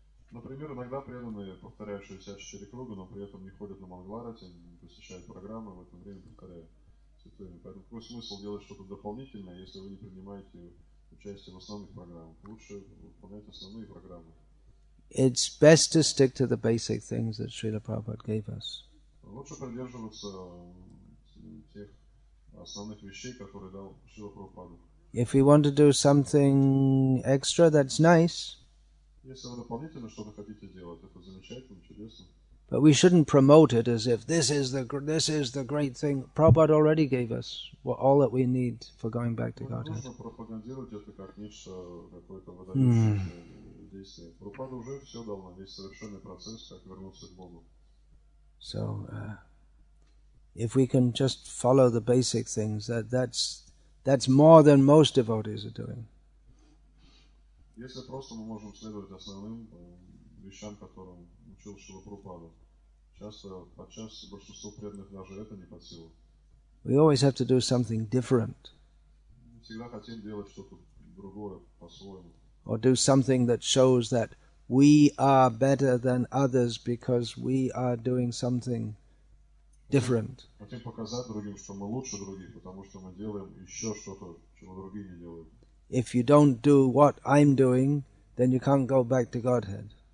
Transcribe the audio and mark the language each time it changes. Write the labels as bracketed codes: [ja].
[ru] Например, иногда преданные, повторяющиеся четыре круга, но при этом не ходят на Мангларати, не посещают программы, в это время повторяют святое. Поэтому какой смысл делать что-то дополнительное, если вы не принимаете участие в основных программах? Лучше выполнять основные программы. [en] It's best to stick to the basic things that Srila Prabhupada gave us. [ru] Лучше придерживаться тех основных вещей, которые дал Шрила Прабхупада. [en] If we want to do something extra, that's nice. [ru] Если вы дополнительно что-то хотите делать, это замечательно, чудесно. [en] But we shouldn't promote it as if this is the great thing. Prabhupada already gave us all that we need for going back to Godhead. [ru] Нужно пропагандировать это как нечто какое-то выдающееся действие. Прабхупада уже все дал нам, есть совершенный процесс, как вернуться к Богу. [en] So, if we can just follow the basic things, that's more than most devotees are doing. [ru] Если просто мы можем следовать основным вещам, которым учил Шрила Прабхупада, часто, подчас большинство преданных даже это не под силу. [en] We always have to do something different. [ru] Мы всегда хотим делать что-то другое, по-своему. [en] Or do something that shows that we are better than others because we are doing something different. [ru] Хотим показать другим, что мы лучше других, потому что мы делаем еще что-то, чего другие не делают. [en] If you don't do what I'm doing, then you can't go back to Godhead.